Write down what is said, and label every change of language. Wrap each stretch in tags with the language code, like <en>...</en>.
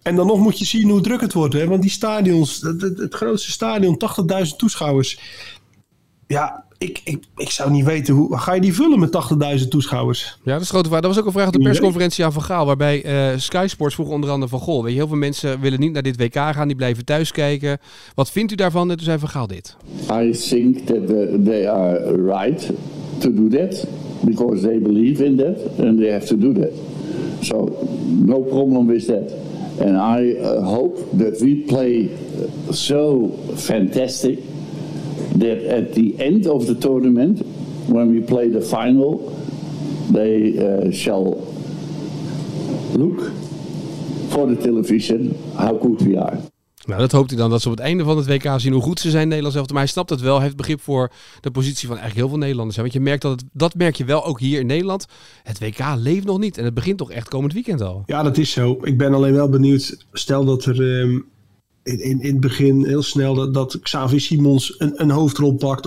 <nl>En dan nog moet je zien hoe druk het wordt. Hè? Want die stadions, het grootste stadion, 80.000 toeschouwers. Ja, ik zou niet weten, hoe ga je die vullen met 80.000 toeschouwers? Ja, dat is een grote vraag. Dat was ook een vraag op de persconferentie aan Van Gaal. Waarbij Sky Sports vroeg onder andere van... Goh, weet je, heel veel mensen willen niet naar dit WK gaan. Die blijven thuis kijken. Wat vindt u daarvan? En toen zei Van Gaal dit.</nl> <en>I think that they are right to do that. Because they believe in that. And they have to do that. So, no problem with that. And I hope that we play so fantastic... That at the end of the tournament, when we play the final, they shall look for the television how good we are.</en> <nl>Nou, dat hoopt hij dan, dat ze op het einde van het WK zien hoe goed ze zijn, Nederland zelf. Maar hij snapt het wel, hij heeft begrip voor de positie van eigenlijk heel veel Nederlanders. Want je merkt dat merk je wel ook hier in Nederland. Het WK leeft nog niet en het begint toch echt komend weekend al. Ja, dat is zo. Ik ben alleen wel benieuwd, stel dat er... In het begin heel snel dat Xavi Simons een hoofdrol pakt.</nl>